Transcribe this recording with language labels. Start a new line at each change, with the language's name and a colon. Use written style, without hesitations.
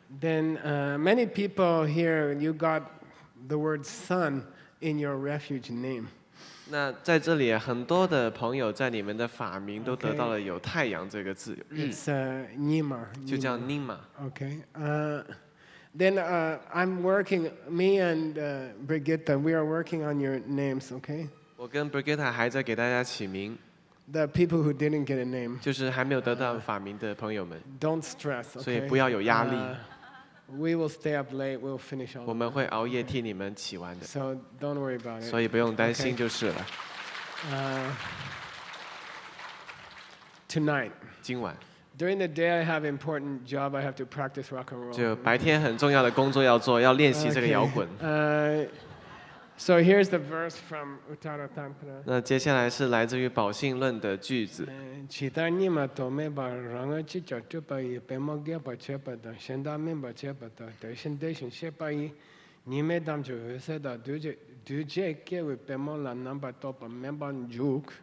English: Then many people here, you got the word sun in your refuge name.
Chinese: 那在这里，很多的朋友在你们的法名都得到了有太阳这个字。
English: Okay. It's Nima.
Chinese: 就叫 Nima.
English: Okay. Then I'm working, me and Brigitta, we are working on your names, okay?
Chinese: 我跟 Brigitta 还在给大家起名。
English: The people who didn't get a name.
Chinese: 就是还没有得到法名的朋友们。
English: Don't stress, okay?
Chinese: 所以不要有压力。
English: We will stay up late, we'll finish all.
Chinese: 我们会熬夜替你们起完的。
English: So don't worry about it.
Chinese: 所以不用担心就是了。
English: Tonight.
Chinese: 今晚。
English: During the day, I have an important job. I have to practice rock and roll.
Chinese: 就白天很重要的工作要做，要练习这个摇滚。
English: So here's the verse from Uttara Tantra.
Chinese: 那接下来是来自于《宝性论》的句子。其他尼玛多咩巴，让我去找这把伊，白毛给把切把的，现在明把切把的，得先得先切把伊，你没当就会说的，对这给我白毛了，能把多把明把住。